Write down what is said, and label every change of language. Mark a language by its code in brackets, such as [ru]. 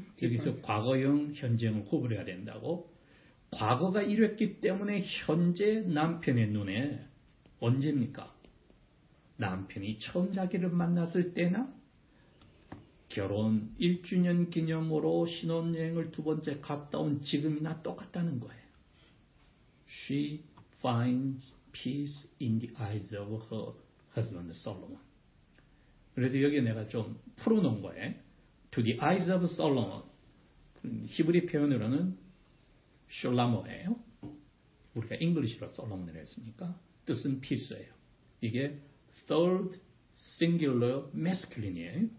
[ko] 여기서 과거형, 현재형을 구분해야 된다고. 과거가 이랬기 때문에 현재 남편의 눈에 언제입니까? 남편이 처음 자기를 만났을 때나 결혼 1주년 기념으로 신혼여행을 두 번째 갔다 온 지금이나 똑같다는 거예요. [en] She finds peace in the eyes of her husband Solomon. [ko] 그래서 여기 내가 좀 풀어놓은 거예요. [en] To the eyes of Solomon. [ko] 히브리 표현으로는 Shulamo예요. 우리가 English로 Solomon을 했으니까 뜻은 peace예요. 이게 [en] third singular masculine [ko] 이에요.